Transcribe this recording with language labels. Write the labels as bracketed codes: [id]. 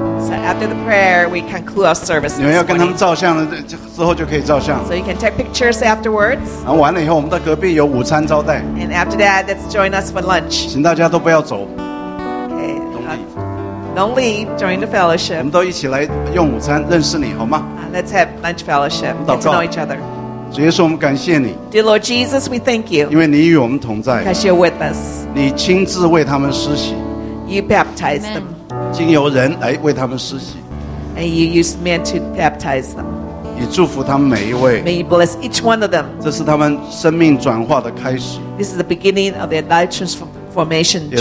[en] So after the prayer, we conclude our service. [zh] 你们要跟他们照相了之后就可以照相。 [en] So you can take pictures afterwards. [zh] 然后完了以后，我们到隔壁有午餐招待。 [en] And after that, let's join us for lunch. [zh] 请大家都不要走。 [en] Okay, don't leave. Join the fellowship. [zh] 我们都一起来用午餐认识你好吗 [en] ？Let's have lunch fellowship. Get to know each other. [zh] 主耶稣，我们感谢你。 [en] Dear Lord Jesus, we thank you. [zh] 因为你与我们同在。 [en] Because you're with us. [zh] 你亲自为他们施洗。 [en] You baptized them. [zh] 经由人来为他们施洗。 [en] And you used men to baptize them. [zh] 你祝福他们每一位。 [en] May you bless each one of them. [zh] 这是他们生命转化的开始。 [en] This is the beginning of their life transformation journey.